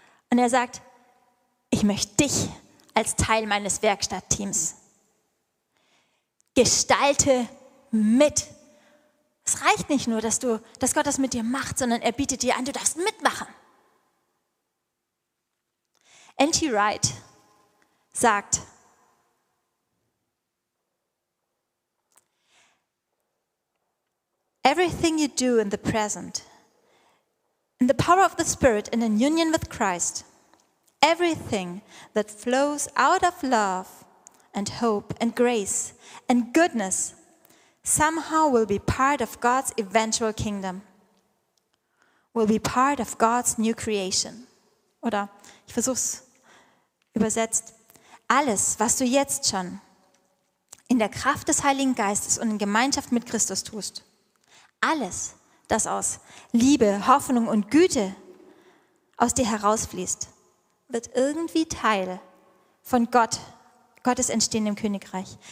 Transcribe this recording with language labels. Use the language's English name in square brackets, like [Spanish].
[German] Und er sagt, ich möchte dich als Teil meines Werkstattteams. Gestalte mit. Es reicht nicht nur, dass Gott das mit dir macht, sondern er bietet dir an, du darfst mitmachen. N.T. [English] Wright [German] sagt, [English] everything you do in the present, in the power of the Spirit and in union with Christ, everything that flows out of love and hope and grace and goodness somehow will be part of God's eventual kingdom, will be part of God's new creation. [German] Oder ich versuche es übersetzt. Alles, was du jetzt schon in der Kraft des Heiligen Geistes und in Gemeinschaft mit Christus tust, alles, das aus Liebe, Hoffnung und Güte aus dir herausfließt, wird irgendwie Teil von Gottes entstehendem Königreich.